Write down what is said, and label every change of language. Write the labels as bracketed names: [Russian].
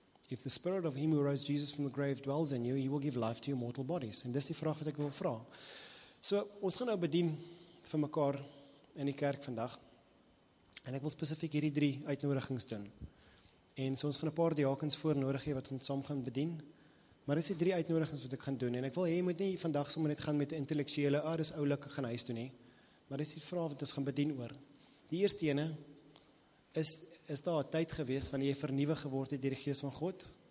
[English] If the spirit of him who rose Jesus from the grave dwells in you, he will give life to your mortal bodies. [Afrikaans] En dis die vraag wat ek wil vra. So, ons gaan nou bedien vir mekaar in die kerk vandag. En ek wil spesifiek hierdie drie uitnodigings doen. En so ons gaan 'n paar diakens voornodig hê wat ons saam gaan bedien. Maar dis die drie uitnodigings wat ek gaan doen. En ek wil hê jy moet nie vandag sommer net gaan met 'n intellektuele, dis oulik, ek gaan huis toe nie. Maar dis die vraag wat ons gaan bedien oor. Die eerste ene, is daar 'n tyd gewees wanneer jy vernuwe geword het deur die gees van God?